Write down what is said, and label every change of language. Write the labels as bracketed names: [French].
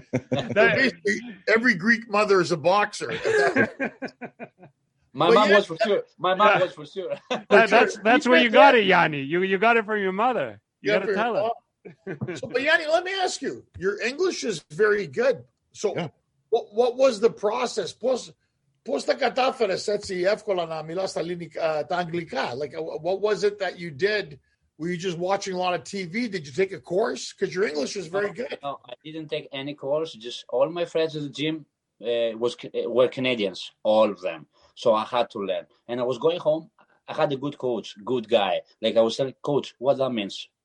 [English] So basically, every Greek mother is a boxer. My mom was for sure. That's where you got it, Yanni. You got it from your mother. You got to tell her. But Yanni, let me ask you: your English is very good, so. Yeah. What was the process? [Greek] Πώς τα κατάφερες έτσι εύκολα να μιλάς τα αγγλικά? [English] Like, what was it that you did? Were you just watching a lot of TV? Did you take a course? Because your English was very good. No, I didn't take any course. Just all my friends at the gym were Canadians, all of them. So I had to learn. And I was going home. I had a good coach, good guy. Like, I was telling coach, what that means?